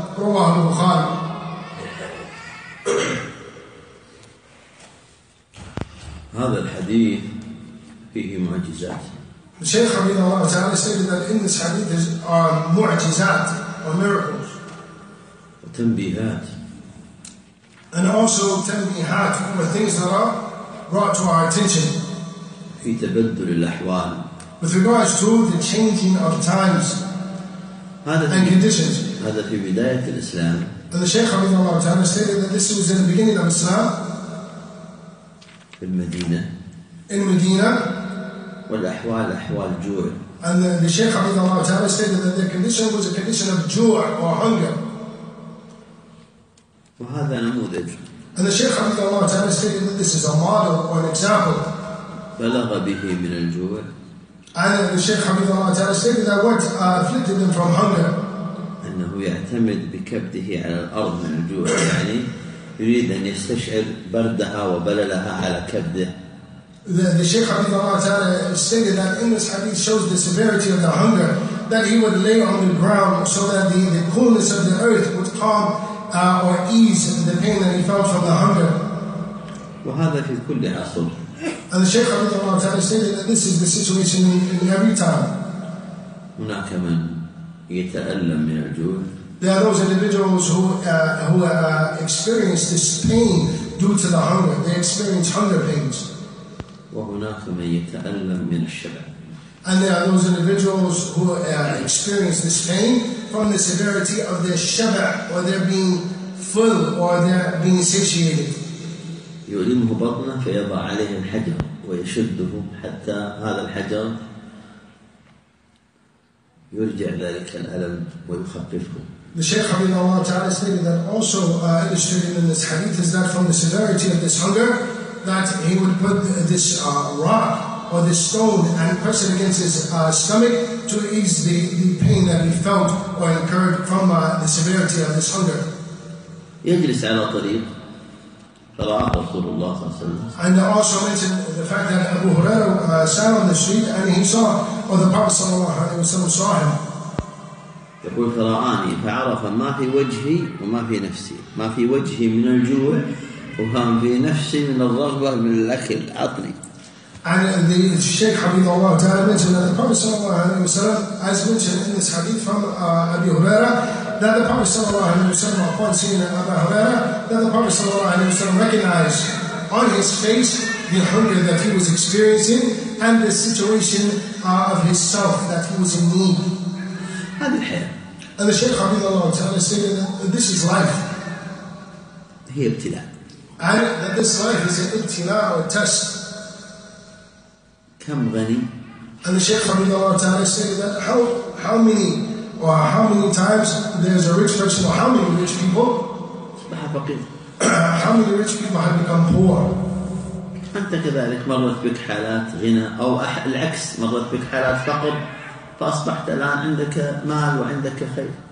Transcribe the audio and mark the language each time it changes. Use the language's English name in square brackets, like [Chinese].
[Arabic] رواه البخاري. هذا الحديث فيه معجزات. الشيخ حفظه الله تعالى سيدنا الإنس حديث معجزات وميركلز وتنبيهات. [English] And also تنبيهات from the things that are brought to our attention. [Arabic] في تبدل الأحوال. [English] With regards to the changing of times and conditions. [Arabic] هذا في بداية الإسلام. [English] And the Shaykh [Arabic] حفظه الله تعالى [English] stated that this was in the beginning of Islam. [Arabic] في المدينة. [English] In Medina. [Arabic] والأحوال أحوال جوع. [English] And the Shaykh [Arabic] حفظه الله تعالى [English] stated that the condition was a condition of جوع or hunger. [Arabic] وهذا نموذج. [English] And the Shaykh [Arabic] حفظه الله تعالى [English] stated that this is a model or an example. [Arabic] بلغ به من الجوع. [English] And the Shaykh [Arabic] حفظه الله تعالى [English] stated that what afflicted them from hunger. [Arabic] أنه يعتمد بكبده على الأرض من الجوع. يعني يريد أن يستشعر بردها وبللها على كبده. [English] The Shaykh [Arabic] حفظه الله تعالى [English] stated that in this hadith shows the severity of the hunger that he would lay on the ground so that the coolness of the earth would calm or ease the pain that he felt from the hunger. [Arabic] وهذا في كل عصر. [English] And the Shaykh [Arabic] حفظه الله تعالى [English] stated that this is the situation in every time. [Arabic] هناك من يتألم من الجوع. [English] There are those individuals who experience this pain due to the hunger. They experience hunger pains. [Arabic] وهناك من يتألم من الشبع. [English] And there are those individuals who experience this pain from the severity of their شبع or their being full or their being satiated. [Arabic] يؤلمه بطنه فيضع عليه الحجر ويشده حتى هذا الحجر يرجع ذلك الألم ويخففه. [English] The Shaykh [Arabic] حفظه الله تعالى [English] stated that also illustrated in this hadith is that from the severity of this hunger that he would put this rock or this stone and press it against his stomach to ease the pain that he felt or incurred from the severity of this hunger. [Arabic] يجلس على طريق فرأى رسول الله صلى الله عليه وسلم. [English] And also mentioned the fact that Abu Huraira sat on the street and he saw, or the Prophet [Arabic] صلى الله عليه وسلم [English] saw him. [Arabic] يقول فرآني فعرف ما في وجهي وما في نفسي. ما في وجهي من الجوع وكان في نفسي من الرغبة من الأكل. عطني. [English] And the Shaykh [Arabic] حفظه الله تعالى [English] mentioned that the Prophet [Arabic] صلى الله عليه وسلم, [English] as mentioned in this hadith from Abu Huraira, that the Prophet صلى الله عليه وسلم upon seeing Abu Huraira, that the Prophet صلى الله عليه وسلم recognized on his face the hunger that he was experiencing and the situation of himself that he was in need. And the Shaykh [Arabic] حفظه الله تعالى [English] stated that this is life. [Arabic] هي ابتلاء. [English] And that this life is an ابتلاء or test. [Arabic] كم غني. [English] And the Shaykh [Arabic] حفظه الله تعالى [English] stated that how many times there's a rich person or how many rich people [Arabic] أصبح فقير. [English] How many rich people have become poor. [Arabic] أنت كذلك مرت بك حالات غنى أو العكس مرت بك حالات فقر فأصبحت الآن عندك مال وعندك خير.